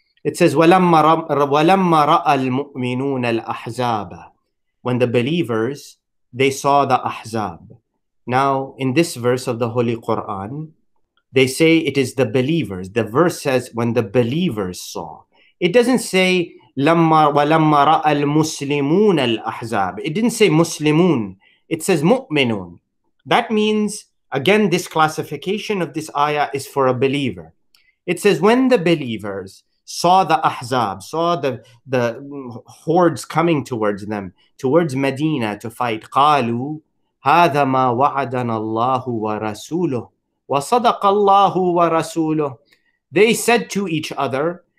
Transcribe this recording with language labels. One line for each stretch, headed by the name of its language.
English: It says,
Arabic: وَلَمَّ رَأَ الْمُؤْمِنُونَ الْأَحْزَابَ,
English: when the believers, they saw the ahzab. Now, in this verse of the Holy Quran, they say it is the believers. The verse says, when the believers saw. It doesn't say,
Arabic: وَلَمَّ رَأَ الْمُسْلِمُونَ الْأَحْزَابَ.
English: It didn't say muslimun. It says mu'minun. That means, again, this classification of this ayah is for a believer. It says, when the believers saw the ahzab, saw the hordes coming towards them, towards Medina to fight,
Arabic: قَالُوا هَذَا مَا وَعَدَنَا اللَّهُ وَرَسُولُهُ
English: وَصَدَقَ اللَّهُ وَرَسُولُهُ, they said to each other,